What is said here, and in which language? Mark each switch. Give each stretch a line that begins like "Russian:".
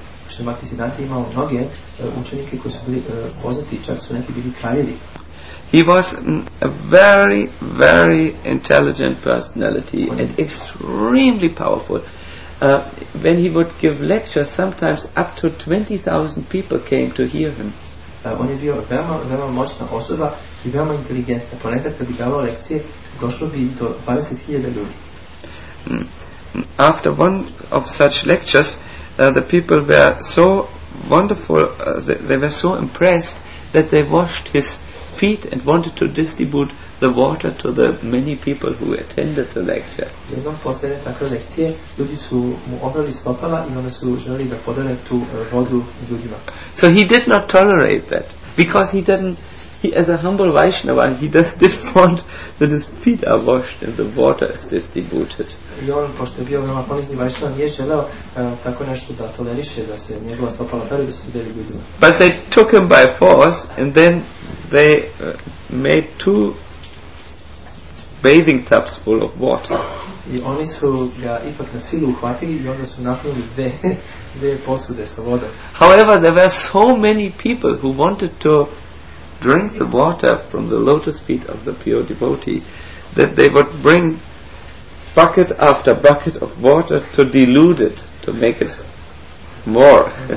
Serbian: Srila Bhakti Siddhanta imao mnoge učenike koji su bili poznati, čak su neki bili kraljevi.
English: He was a very, very intelligent personality and extremely powerful. When he would give lectures, sometimes up to 20,000 people came to hear him.
Serbian: On je bio veoma, veoma moćna osoba i veoma inteligentna. Ponekad kad bi davao lekcije, došlo bi do 20,000 ljudi.
English: After one of such lectures, the people were so wonderful, they were so impressed that they washed his feet and wanted to distribute the water to the many people who attended the lecture.
Serbian: Jednom postane takve lekcije, ljudi su mu obrali stopala i onda su želi da podele tu vodu ljudima.
English: So he did not tolerate that, because he as a humble Vaishnava, he didn't want that his feet are washed and the water is distributed.
Serbian: I on, pošto je bio veoma ponizni Vaishnava, nije želeo tako nešto da toleriše, da se njegova stopala peru da su udeli ljudima.
English: But they took him by force and then they made two bathing tubs full of water.
Serbian: I oni su ga ipak na silu uhvatili i onda su napravili dve posude sa vodom.
English: However, there were so many people who wanted to drink the water from the lotus feet of the pure devotee that they would bring bucket after bucket of water to dilute it, to make it more.